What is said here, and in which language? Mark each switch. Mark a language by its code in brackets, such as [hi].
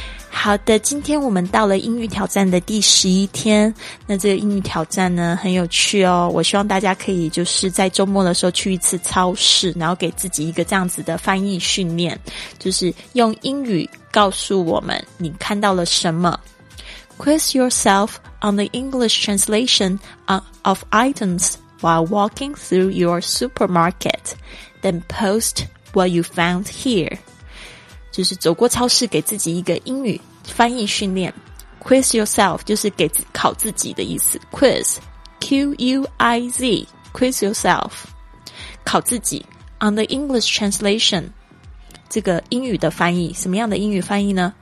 [zh] 好的，今天我们到了英语挑战的第11天。那这个英语挑战呢很有趣哦，我希望大家可以就是在周末的时候去一次超市，然后给自己一个这样子的翻译训练，就是用英语告诉我们你看到了什么。 [en] Quiz yourself on the English translation of items while walking through your supermarket, then post what you found here. [zh] 就是走过超市给自己一个英语翻译训练。 [en] Quiz yourself [zh] 就是给考自己的意思， [en] Quiz Q-U-I-Z Quiz yourself [zh] 考自己。 [en] On the English translation [zh] 这个英语的翻译，什么样的英语翻译呢？